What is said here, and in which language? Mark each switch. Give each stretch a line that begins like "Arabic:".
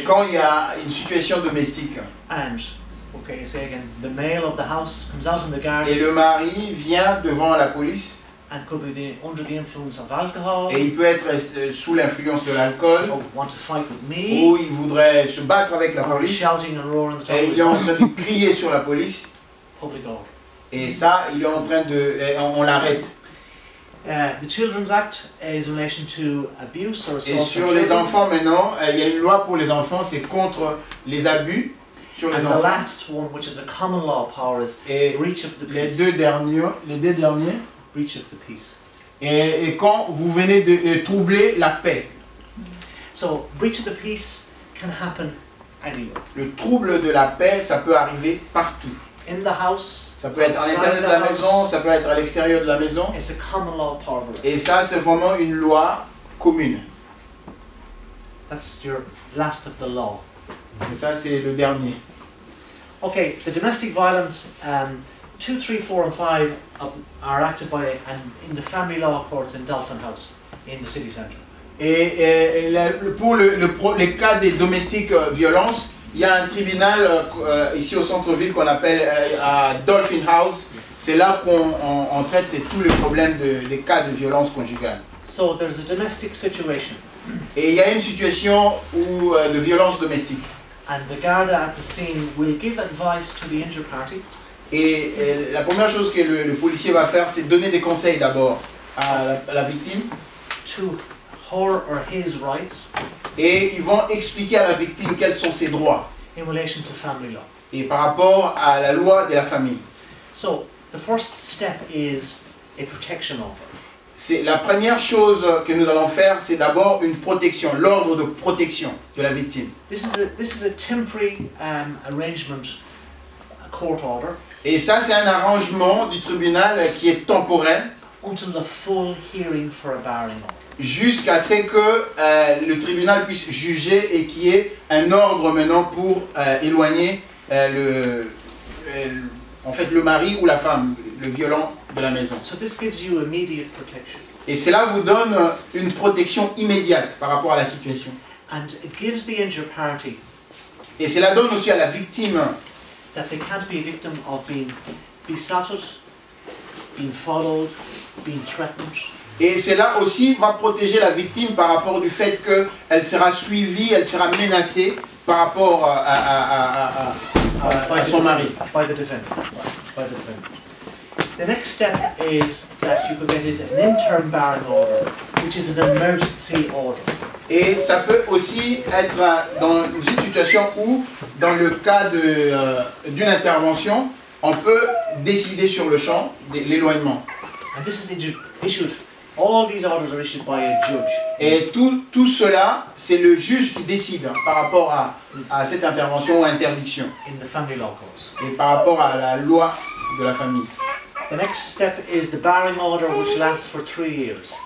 French: quand il y a une situation domestique, et le mari vient devant la police,
English: and could be under the influence of alcohol,
French: et il peut être sous l'influence de l'alcool,
English: or want to fight with me,
French: ou il voudrait se battre avec la police,
English: shouting and roaring the top
French: et il est en train de crier sur la police.
English: Public order.
French: Et ça, il est en train de, on l'arrête.
English: The Children's Act is in relation to abuse or assault.
French: Et sur les enfants maintenant, il y a une loi pour les enfants, c'est contre les abus sur les enfants.
English: The last one, which is a common law power, is breach of the peace.
French: Les deux derniers.
English: Breach of the peace.
French: Et quand vous venez de troubler la paix.
English: So breach of the peace can happen anywhere.
French: Le trouble de la paix, ça peut arriver partout.
English: In the house.
French: Ça peut être à l'intérieur de la maison, ça peut être à l'extérieur de la maison.
English: It's a common law power.
French: Et ça, c'est vraiment une loi commune.
English: That's your last of the law.
French: Et ça, c'est le dernier.
English: Okay, the domestic violence 2, 3, 4, and 5 are acted by and in the family law courts in Dolphin House, in the city centre.
French: Et pour les cas des domestiques violences, il y a un tribunal ici au centre-ville qu'on appelle Dolphin House. C'est là qu'on on traite tous les problèmes des cas de violence conjugale.
English: So there's a domestic situation.
French: Et il y a une situation où de violence domestique.
English: And the garda at the scene will give advice to the injured party.
French: Et la première chose que le policier va faire, c'est donner des conseils d'abord à la victime.
English: To her or his rights.
French: Et ils vont expliquer à la victime quels sont ses droits.
English: In relation to family law.
French: Et par rapport à la loi de la famille.
English: So, the first step is a protection order.
French: C'est la première chose que nous allons faire, c'est d'abord une protection, l'ordre de protection de la victime.
English: This is a temporary arrangement, a court order.
French: Et ça, c'est un arrangement du tribunal qui est temporel.
English: Until the full hearing for a barring order.
French: Jusqu'à ce que le tribunal puisse juger et qu'il y ait un ordre maintenant pour éloigner le mari ou la femme, le violent de la maison.
English: So this gives you immediate protection.
French: Et cela vous donne une protection immédiate par rapport à la situation.
English: And it gives the injured party.
French: Et cela donne aussi à la victime
English: that they can't be a victim of being besotted, being followed, being threatened.
French: Et cela aussi va protéger la victime par rapport du fait qu'elle sera suivie, elle sera menacée par rapport à son mari.
English: By the defendant. By the defendant. The next step is that you could get is an interim barring order, which is an emergency order.
French: Et ça peut aussi être dans une situation où, dans le cas d'une intervention, on peut décider sur le champ de l'éloignement.
English: And this is issued. All these orders are issued by a judge.
French: Et tout cela, c'est le juge qui décide hein, par rapport à cette intervention ou interdiction.
English: In the family law courts.
French: Et par rapport à la loi de la famille.
English: The next step is the barring order, which lasts for 3 years.